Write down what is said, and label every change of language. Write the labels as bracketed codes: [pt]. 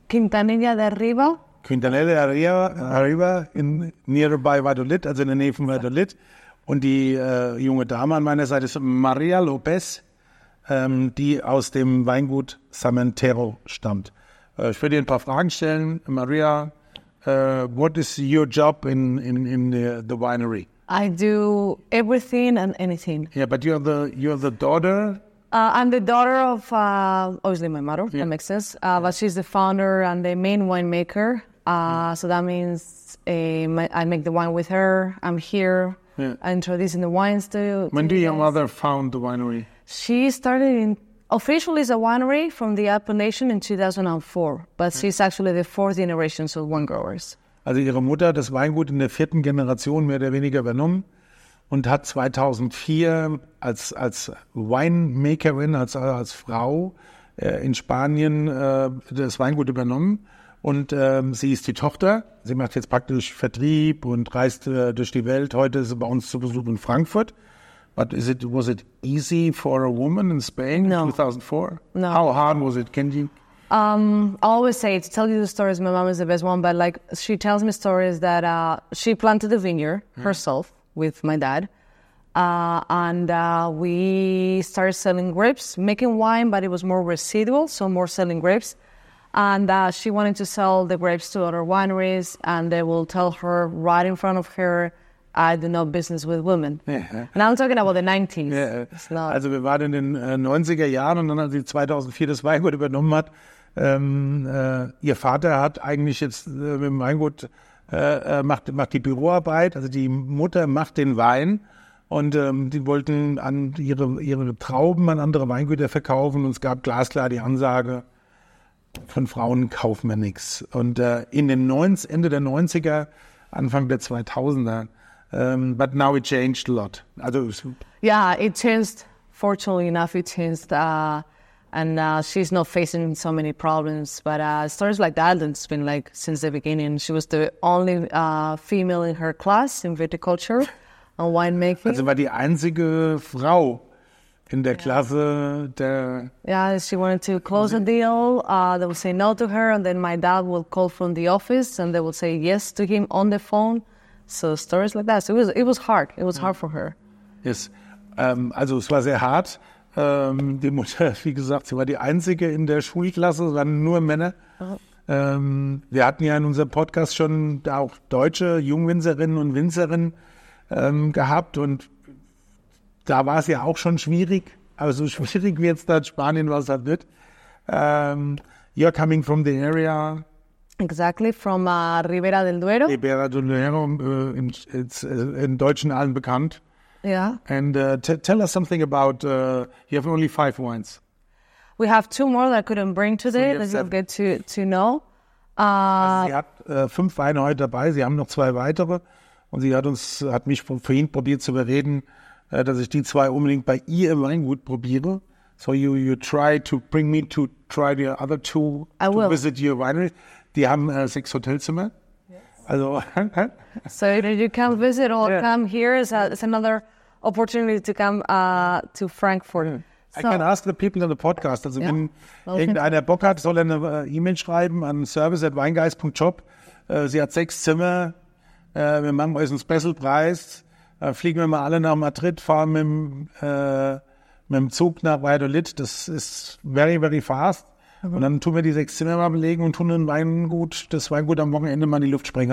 [de] Quintanilla de Arriba. Quintanilla de Arriba, [en] in nearby Valladolid, [de] also in der Nähe von Valladolid. Und die junge Dame an meiner Seite ist Maria Lopez, die aus dem Weingut Samentero stammt. Ich würde dir ein paar Fragen stellen. [en] Maria, what is your job in the winery? I do everything and anything. Yeah, but you're the daughter? I'm the daughter of, obviously, my mother. Yeah. That makes sense. But she's the founder and the main winemaker. So that means I make the wine with her. I'm here. Yeah. Introducing the wines to when do your mother found the winery? She started in officially as a winery from the Appellation in 2004, but she's actually the fourth generation of wine growers. [de] Also ihre Mutter das Weingut in der vierten Generation mehr oder weniger übernommen und hat 2004 als Winemakerin, als Frau in Spanien das Weingut übernommen. Und sie ist die Tochter. Sie macht jetzt praktisch Vertrieb und reist durch die Welt. Heute ist sie bei uns zu Besuch in Frankfurt. [en] But was it easy for a woman in Spain in 2004? No. How hard was it? Can you? I always say to tell you the stories. My mom is the best one. But like she tells me stories that she planted the vineyard herself with my dad, and we started selling grapes, making wine, but it was more residual, so more selling grapes. And she wanted to sell the grapes to other wineries, and they will tell her right in front of her, I do no business with women. Yeah. And I'm talking about the 90s. Yeah. [de] Also wir waren in den 90er Jahren, und dann hat sie 2004 das Weingut übernommen hat. Ihr Vater hat eigentlich jetzt mit dem Weingut, macht die Büroarbeit, also die Mutter macht den Wein. Und die wollten an ihre Trauben an andere Weingüter verkaufen, und es gab glasklar die Ansage, von Frauen kaufen wir nichts. Und Ende der 90er, Anfang der 2000er. [en] But now it changed a lot. Yeah, it changed. Fortunately enough, it changed. And she's not facing so many problems. But stories like that, it's been like since the beginning. She was the only female in her class in viticulture and winemaking. [de] Also war die einzige Frau in der Klasse der... [en] Yeah, she wanted to close a deal. They would say no to her, and then my dad will call from the office, and they will say yes to him on the phone. So stories like that. So it was hard. It was hard for her. [de] Yes. Also es war sehr hart. Die Mutter, wie gesagt, sie war die einzige in der Schulklasse. Es waren nur Männer. Wir hatten ja in unserem Podcast schon auch deutsche Jungwinzerinnen und Winzerinnen gehabt, und da war es ja auch schon schwierig, aber so schwierig wie jetzt da in Spanien war es halt nicht. [en] You're coming from the area. Exactly, from Ribera del Duero. [de] Ribera del Duero, [en] it's in [de] deutschen allen bekannt. [en] Yeah. And tell us something about, you have only 5 wines. We have 2 more that I couldn't bring today, so that's good to know. [de] Also sie hat 5 Weine heute dabei, sie haben noch 2 weitere, und sie hat mich vorhin probiert zu überreden, dass ich die 2 unbedingt bei ihr im Weingut probiere. [en] So you try to bring me to try the other 2 I to will. Visit your winery. [de] Die haben 6 Hotelzimmer. [en] Yes. [de] Also [en] so you can visit or come here. It's another opportunity to come to Frankfurt. So, I can ask the people in the podcast. [de] Also wenn irgendeiner Bock hat, soll eine E-Mail schreiben an service@weingeist.job. Sie hat 6 Zimmer. Wir machen euch einen Special-Preis. Fliegen wir mal alle nach Madrid, fahren mit dem Zug nach Valladolid. Das ist [en] very, very fast. [de] Mhm. Und dann tun wir die 6 Zimmer mal belegen und tun das Weingut am Wochenende mal in die Luft sprengen.